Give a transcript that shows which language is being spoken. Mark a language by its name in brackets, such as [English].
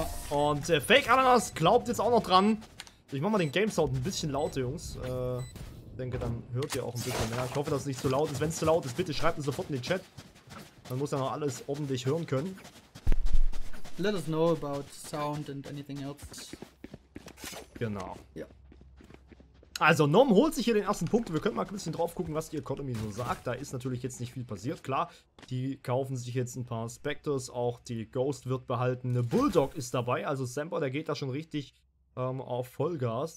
[German] Und Fake Ananas glaubt jetzt auch noch dran. Ich mach mal den Game-Sound ein bisschen lauter, Jungs. Ich denke, dann hört ihr auch ein bisschen mehr. Ich hoffe, dass es nicht zu laut ist. Wenn es zu laut ist, bitte schreibt es sofort in den Chat. Dann muss er noch alles ordentlich hören können. [English] Let us know about sound and anything else. [German] Genau. Ja. Also, Nom holt sich hier den ersten Punkt. Wir können mal ein bisschen drauf gucken, was die Economy so sagt. Da ist natürlich jetzt nicht viel passiert. Klar, die kaufen sich jetzt ein paar Spectres. Auch die Ghost wird behalten. Eine Bulldog ist dabei. Also, Semper, der geht da schon richtig auf Vollgas.